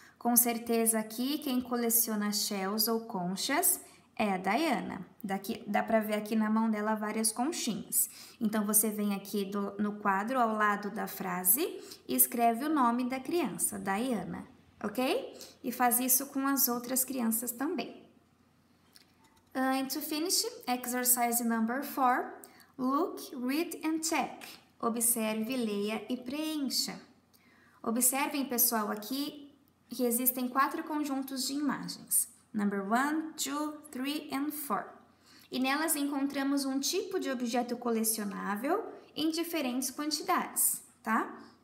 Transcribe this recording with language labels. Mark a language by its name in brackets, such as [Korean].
[Portuguese] Com certeza aqui, quem coleciona shells ou conchas é a Diana. Daqui, dá para ver aqui na mão dela várias conchinhas. Então, você vem aqui no quadro, ao lado da frase, e escreve o nome da criança, Diana, ok? E faz isso com as outras crianças também. [English] And to finish, exercise number 4. Look, read and check. [Portuguese] Observe, leia e preencha. Observem, pessoal, aqui que existem 4 conjuntos de imagens. [English] Number 1, 2, 3 and 4. [Portuguese] E nelas encontramos um tipo de objeto colecionável em diferentes quantidades, tá?